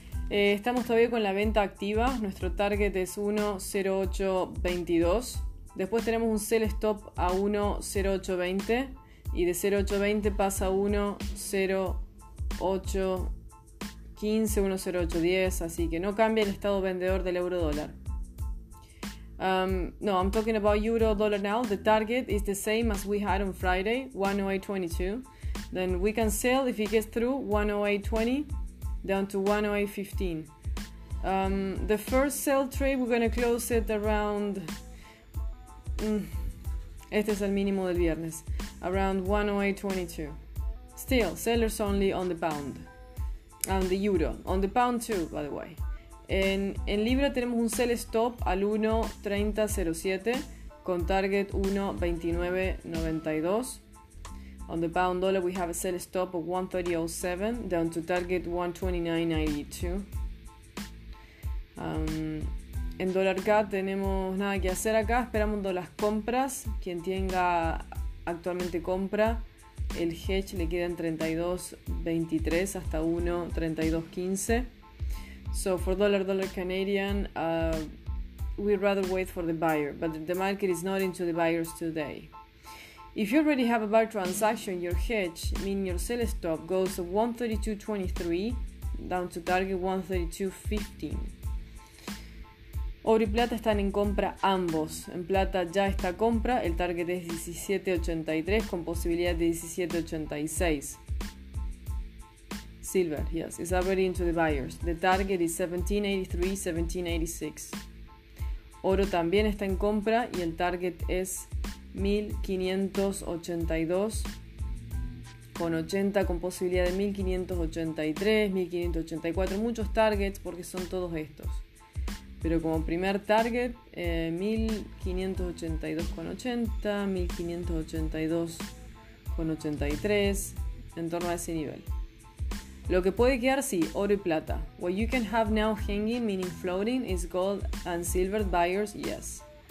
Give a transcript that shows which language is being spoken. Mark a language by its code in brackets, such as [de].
[es] Estamos todavía con la venta activa. Nuestro target es 1.0822. Después tenemos un sell stop a 1.0820. Y de 0.820 pasa a 1.0815, 1.0810. Así que no cambia el estado vendedor del euro dólar. [en] No, I'm talking about euro dollar now. The target is the same as we had on Friday, 1.0822. Then we can sell if it gets through 1.0820 down to 1.0815. The first sell trade, we're going to close it around... [es] este es el mínimo del viernes. [en] Around 1.0822. Still, sellers only on the pound. On the euro. On the pound too, by the way. [es] En libra tenemos un sell stop al 1.3007 con target 1.2992. [en] On the pound dollar we have a sell stop of 1.3007 down to target 1.2992. [es] En dólar CAD tenemos nada que hacer acá, esperamos las compras. Quien tenga actualmente compra, el hedge le queda en 32.23 hasta 1.3215. [en] So for dollar Canadian, we'd rather wait for the buyer, but the market is not into the buyers today. If you already have a buy transaction, your hedge, meaning your sell stop, goes to 132.23 down to target 132.15. [es] Oro y plata están en compra ambos. En plata ya está compra, el target es 17.83 con posibilidad de 17.86. [en] Silver, yes, it's already into the buyers. The target is 1783, 1786. [es] Oro también está en compra y el target es 1582 con 80 con posibilidad de 1583, 1584. Muchos targets porque son todos estos. Pero como primer target, 1582 con 80, 1582 con 83, en torno a ese nivel. Lo que puede quedar, sí, oro y plata. [en] What you can have now hanging, meaning floating, is gold and silver buyers, yes.